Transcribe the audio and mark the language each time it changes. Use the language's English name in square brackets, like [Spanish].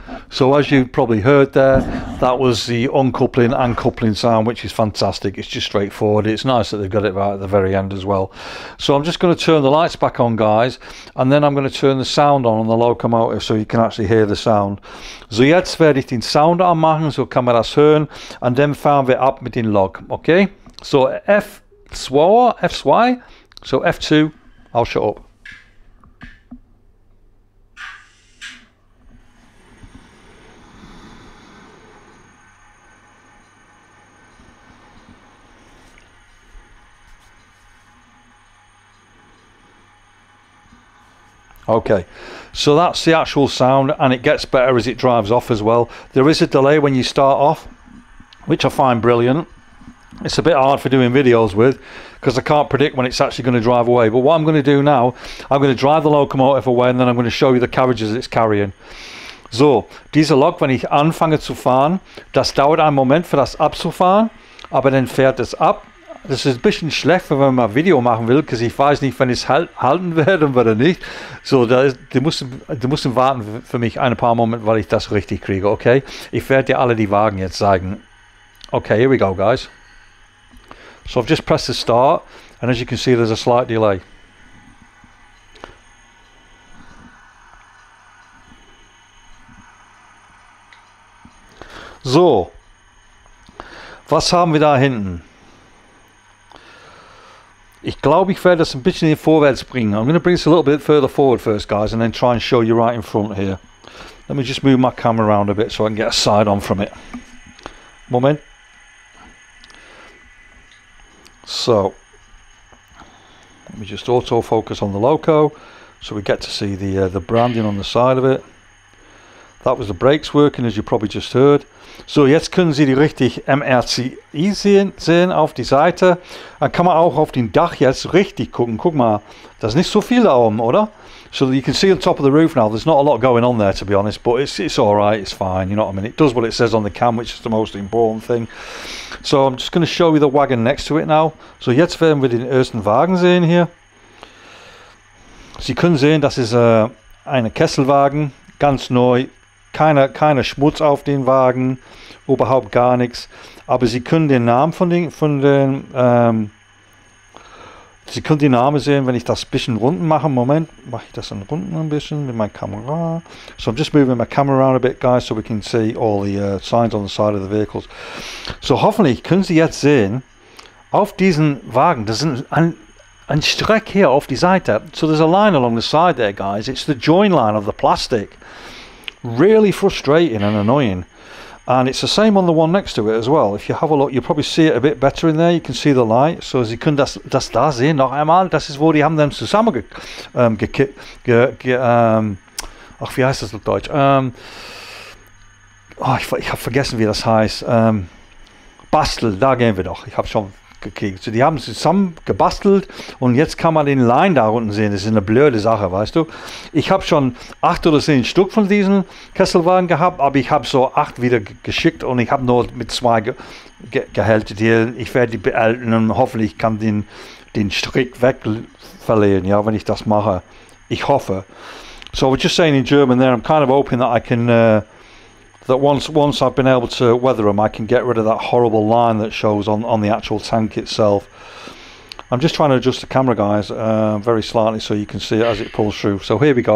[English] So as you probably heard there, that was the uncoupling and coupling sound, which is fantastic. It's just straightforward. It's nice that they've got it right at the very end as well. So I'm just going to turn the lights back on, guys, and then I'm going to turn the sound on the locomotive so you can actually hear the sound. [German] So jetzt werde ich den Sound anmachen, so kann man das hören, und dann fahren wir ab mit dem Log, okay? [English] So F2, so F2, I'll shut up. Okay, so that's the actual sound, and it gets better as it drives off as well. There is a delay when you start off, which I find brilliant. It's a bit hard for doing videos with, because I can't predict when it's actually going to drive away. But what I'm going to do now, I'm going to drive the locomotive away, and then I'm going to show you the carriages it's carrying. [German] So, dieser Lok, wenn ich anfange zu fahren, das dauert einen Moment für das abzufahren, aber dann fährt es ab. Das ist ein bisschen schlecht, wenn man mal ein Video machen will, weil ich weiß nicht, wenn ich es halten werde oder nicht. So, die müssen warten für mich ein paar Momente, weil ich das richtig kriege, okay? Ich werde dir alle die Wagen jetzt zeigen. [English] Okay, here we go, guys. So, I've just pressed the start, and as you can see, there's a slight delay. [German] So, was haben wir da hinten? Ich glaube, ich werde das ein bisschen hier vorwärts bringen. [English] I'm going to bring this a little bit further forward first, guys, and then try and show you right in front here. Let me just move my camera around a bit so I can get a side on from it. Moment. So, let me just autofocus on the loco so we get to see the branding on the side of it. That was the brakes working, as you probably just heard. [German] So, jetzt können Sie die richtig MRCE sehen auf die Seite. Dann kann man auch auf den Dach jetzt richtig gucken. Guck mal, das ist nicht so viel da oben, oder? [English] So, you can see on top of the roof now. There's not a lot going on there, to be honest. But it's all right. It's fine. You know what I mean? It does what it says on the cam, which is the most important thing. So, I'm just going to show you the wagon next to it now. [German] So, jetzt werden wir den ersten Wagen sehen hier. Sie können sehen, das ist ein Kesselwagen, ganz neu. Keine Schmutz auf den Wagen, überhaupt gar nichts. Aber Sie können den Namen sehen, wenn ich das ein bisschen runden mache. Moment, mache ich das dann runden ein bisschen mit meiner Kamera. [English] So I'm just moving my camera around a bit, guys, so we can see all the signs on the side of the vehicles. [German] So hoffentlich können Sie jetzt sehen, auf diesen Wagen, das sind ein, And Streck here off the Seite. [English] So there's a line along the side there, guys. It's the join line of the plastic. Really frustrating and annoying. And it's the same on the one next to it as well. If you have a look, you'll probably see it a bit better in there. You can see the light. So as you can, [German] das da sehen, noch einmal, das ist wo die haben dem zusammen ach, wie heißt das auf Deutsch? Ich habe vergessen, wie das heißt. Bastel, da gehen wir doch. Ich habe schon gekriegt. So, die haben es zusammen gebastelt und jetzt kann man den Line da unten sehen. Das ist eine blöde Sache, weißt du. Ich habe schon 8 oder 10 Stück von diesen Kesselwagen gehabt, aber ich habe so 8 wieder geschickt und ich habe nur mit 2 gehalten hier. Ich werde die behalten und hoffentlich kann den Strick wegverlieren, ja, wenn ich das mache. Ich hoffe. [English] So, we're just saying in German there, I'm kind of hoping that I can... that once I've been able to weather them, I can get rid of that horrible line that shows on the actual tank itself. I'm just trying to adjust the camera, guys, very slightly so you can see it as it pulls through. So here we go.